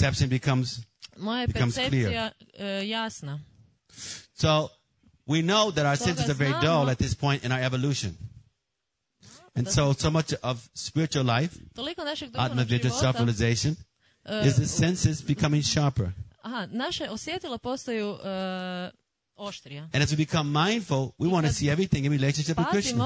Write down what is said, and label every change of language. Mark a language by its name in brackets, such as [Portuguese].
[English] perception becomes clear. [Croatian] Jasna. [English] So we know that our senses are very dull at this point in our evolution. And so much of spiritual life, atma vidya, self-realization, is the senses becoming sharper. [Croatian] Naše osjetila postaju oštrija. [English] And as we become mindful, we want to see everything in relationship with Krishna.